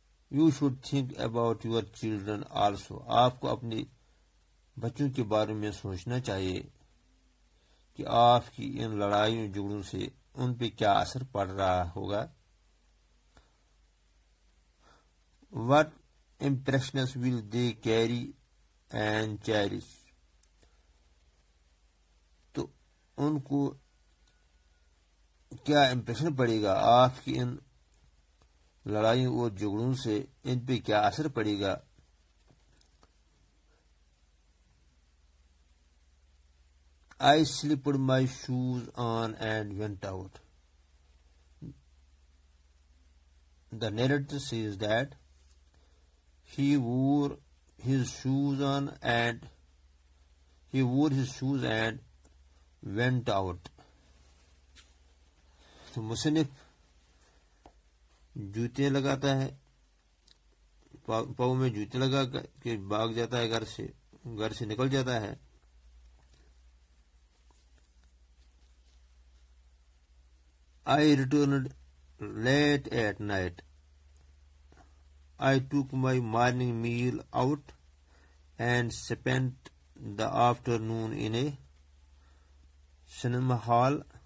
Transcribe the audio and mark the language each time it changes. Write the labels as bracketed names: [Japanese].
[English] You should think about your children also. [Urdu] آپ کو اپنے بچوں کے بارے میں سوچنا چاہیے کہ آپ کی ان لڑائیوں جھگڑوں سے ان پہ کیا اثر پڑ رہا ہوگا. [English] What impressions will they carry and cherish? [Urdu] تو ان کو کیا امپریشن پڑے گا آپ کی ان لڑائیوں اور جھگڑوں سے, ان پہ کیا اثر پڑے گا. [English] I slipped my shoes on and went out. The narrator says that he wore his shoes on and he wore his shoes and went out. [Urdu] تو مصنف جوتے لگاتا ہے, پاؤں میں جوتے لگا کے بھاگ جاتا ہے, گھر سے نکل جاتا ہے. [English] I returned late at night. I took my morning meal out and spent the afternoon in a cinema hall.